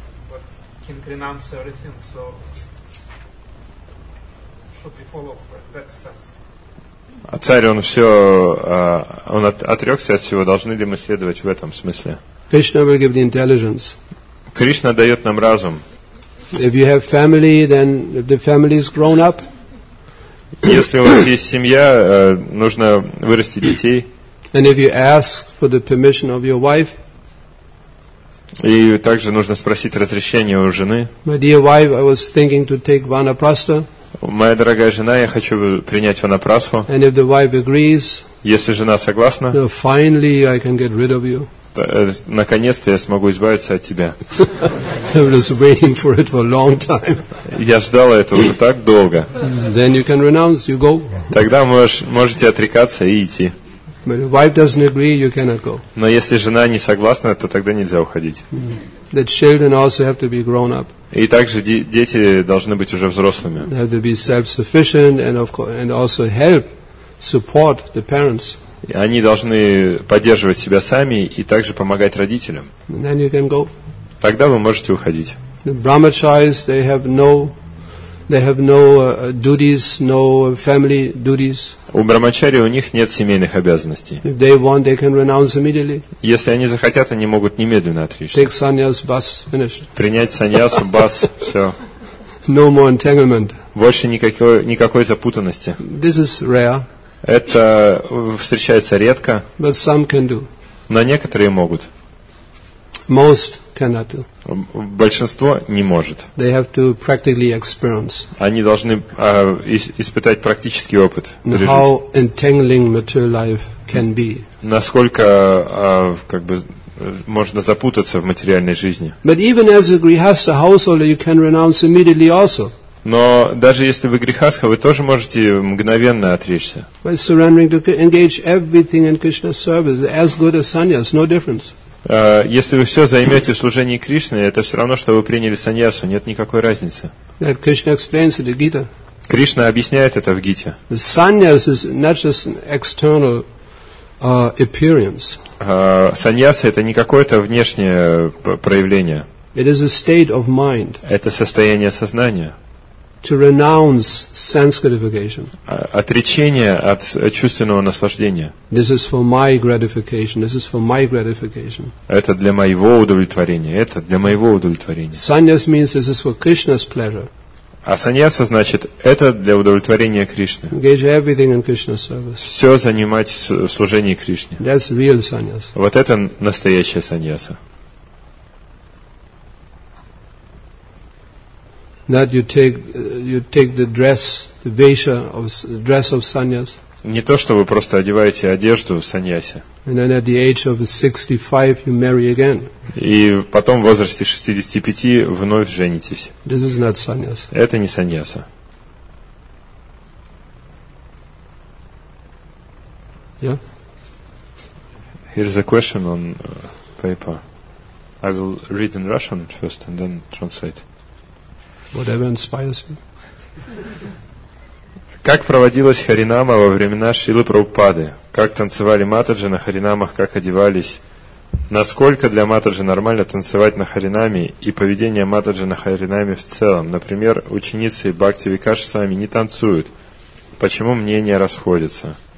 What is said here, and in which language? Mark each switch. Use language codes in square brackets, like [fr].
[en] But King Krinams everything, so should be followed for that sense. [ru] А царь, он все, он отрекся от всего, должны ли мы следовать в этом смысле? [en] Krishna will give the intelligence. [ru] Кришна дает нам разум. [en] If you have family, then the family is grown up. [ru] Если у вас есть семья, нужно вырасти детей. [en] And if you ask for the permission of your wife. [ru] И также нужно спросить разрешение у жены. [en] My dear wife, I was thinking to take vanaprastha. [ru] Моя дорогая жена, я хочу принять ванапрасху. [en] And if the wife agrees. [ru] Если жена согласна. [en] So finally, I can get rid of you. [ru] Наконец-то я смогу избавиться от тебя. [en] I was waiting for it for a long time. [ru] Я ждал этого уже так долго. [en] Then you can renounce, you go. [ru] Тогда можете отрекаться и идти. [en] But if wife doesn't agree, you cannot go. [ru] Но если жена не согласна, то тогда нельзя уходить. [en] The children also have to be grown up. [ru] И также дети должны быть уже взрослыми. [en] They have to be self-sufficient and of course and also help support the parents. [ru] И они должны поддерживать себя сами и также помогать родителям. [en] Then you can go. [ru] Тогда вы можете уходить. [en] The brahmacharis, they have no They have no duties, no family duties. [ru] У брахмачари у них нет семейных обязанностей. [en] If they want, they can renounce immediately. [ru] Если они захотят, они могут немедленно отречься. [en] Take sannyas, bas, finished. [ru] Принять саньясу, бас, все. [en] No more entanglement. [ru] Больше никакой запутанности. [en] This is rare. [ru] Это встречается редко. [en] But some can do. [ru] Но некоторые могут. [en] Most cannot do. [ru] Большинство не может. [en] They have to practically experience. [ru] Они должны испытать практический опыт. [en] How entangling material life can be. [ru] Насколько как бы можно запутаться в материальной жизни. [en] But even as a grihastha householder, you can renounce immediately also. [ru] Но даже если вы грихастха, вы тоже можете мгновенно отречься. [en] By surrendering to engage everything in Krishna's service, as good as sannyas, no difference. [ru] Если вы все займете в служении Кришне, это все равно, что вы приняли саньясу, нет никакой разницы. [en] That Krishna explains it in Gita. [ru] Кришна объясняет это в Гите. [en] The sannyas is not just an external appearance. [ru] Саньяса это не какое-то внешнее проявление. [en] It is a state of mind. [ru] Это состояние сознания. [en] To renounce sense gratification. [ru] Отречение от чувственного наслаждения. [en] This is for my gratification. This is for my gratification. [ru] Это для моего удовлетворения. Это для моего удовлетворения. [en] Sannyas means this is for Krishna's pleasure. [ru] А саньяса значит это для удовлетворения Кришны. [en] Engage everything in Krishna's service. [ru] Все занимать в служении Кришне. [en] That's real sannyas. [ru] Вот это настоящая саньяса. [en] Not you take the dress, the vesha of dress of sannyas. [ru] Не то, что вы просто одеваете одежду саньяси. [en] And then at the age of 65 you marry again. [ru] И потом в возрасте 65 вновь женитесь. [en] This is not sannyas. [ru] Это не саньяса. [en] Yeah. Here is a question on paper. I will read in Russian first and then translate. Whatever inspires me. [ru] Как проводилась Харинама во времена Шрилы Прабхупады? Как танцевали матаджи на Харинамах, как одевались? Насколько для матаджи нормально танцевать на Харинаме и поведение матаджи на Харинаме в целом? Например, ученицы Бхакти Викаши с вами не танцуют. Почему мнения расходятся?